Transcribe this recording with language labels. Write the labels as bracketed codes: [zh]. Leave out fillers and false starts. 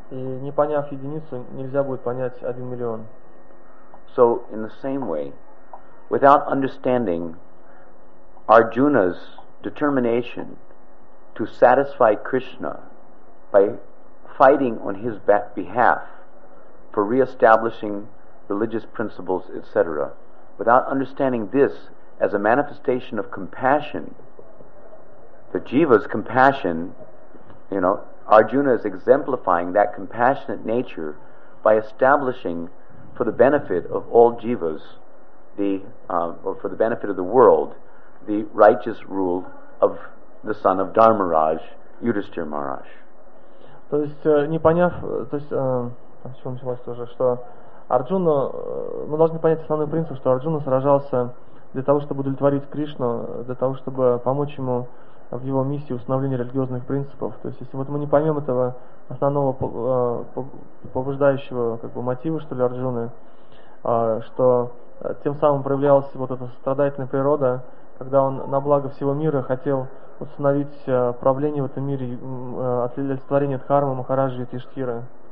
[ru] И не поняв единицу, нельзя будет понять 1,000,000. [en] So in the same way, without understanding Arjuna's determination to satisfy Krishna by fighting on his behalf for re-establishing religious principles, etc. Without understanding this as a manifestation of compassion, the jiva's compassion, you know, Arjuna is exemplifying that compassionate nature by establishing for the benefit of all jivas, for the benefit of the world, the righteous rule of the son of Dharmaraj, Yudhishthir Maharaj. [ru] То есть, не поняв, то есть, с чего началось тоже, что Арджуна, мы должны понять основной принцип, что Арджуна сражался для того, чтобы удовлетворить Кришну, для того, чтобы помочь ему в его миссии установления религиозных принципов. То есть, если вот мы не поймем этого основного побуждающего как бы мотива, что ли, Арджуны, что тем самым проявлялась вот эта страдательная природа, когда он на благо всего мира хотел установить правление в этом мире, олицетворение Дхармы, Махараджи и Тиштхира.